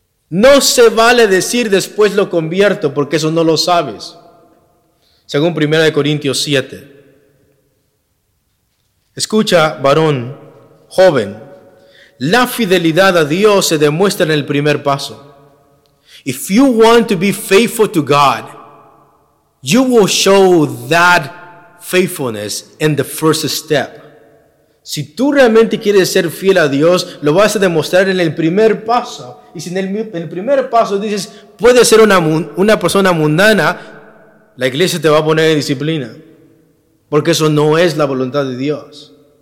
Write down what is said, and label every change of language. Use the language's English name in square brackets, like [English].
[Spanish] No se vale decir después lo convierto, porque eso no lo sabes. Según 1 Corintios 7. Escucha, varón, joven, la fidelidad a Dios se demuestra en el primer paso. [English] If you want to be faithful to God, you will show that faithfulness in the first step. [Spanish] Si tú realmente quieres ser fiel a Dios, lo vas a demostrar en el primer paso. Y si en el primer paso dices, puede ser una persona mundana, la iglesia te va a poner en disciplina. Porque eso no es la voluntad de Dios.